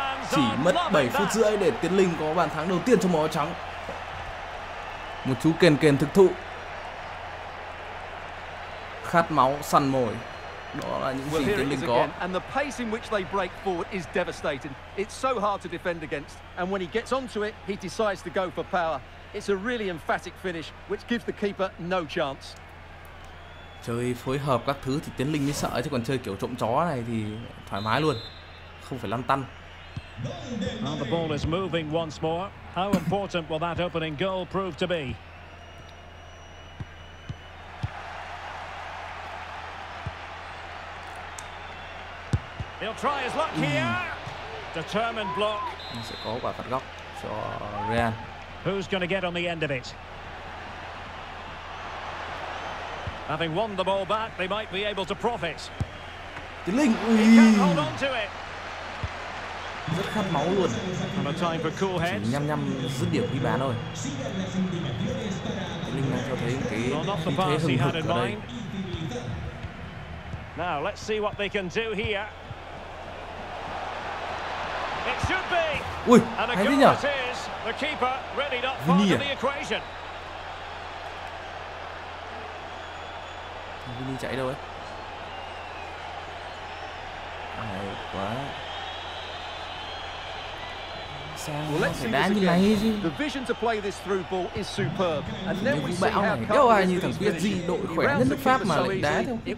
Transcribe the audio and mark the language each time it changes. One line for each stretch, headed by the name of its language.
Vietnamese: Chỉ mất 7 phút rưỡi để Tiến Linh có bàn thắng đầu tiên trong màu áo trắng. Một chú kền kền thực thụ, khát máu, săn mồi. Đó là những gì Tiến Linh có.
English: And the pace in which they break forward is devastating. It's so hard to defend against. And when he gets onto it, he decides to go for power. It's a really emphatic finish, which gives the keeper no chance.
Vietnamese: Chơi phối hợp các thứ thì Tiến Linh mới sợ, chứ còn chơi kiểu trộm chó này thì thoải mái luôn, không phải lăn tăn.
English: Well, the ball is moving once more. How important will that opening goal prove to be? He'll try his luck here. Determined block.
Vietnamese: Sẽ có quả phạt góc cho Real.
English: Who's going to get on the end of it? Having won the ball back, they might be able to profit.
Vietnamese: Tiến Linh,
English: he can't hold on to it.
Vietnamese: Rất khát máu luôn.
English: Time for cool heads.
Vietnamese: Chỉ nhăm nhăm dứt điểm ghi bàn thôi. Tiến Linh đang cho thấy cái khí thế hừng hực ở đây.
English: Now let's see what they can do here. It should be.
Vietnamese: Ui, hay thế nhở?
English: The keeper really not part of the equation.
Vietnamese: Vinh chạy đâu ấy? Hay quá. Sao
English: well, let's
Vietnamese: đá như này gì?
English: The vision to play this through ball is superb. And then we see how cool
Vietnamese: ai như thằng PSG đội khỏe nhất nước Pháp mà lại đá theo.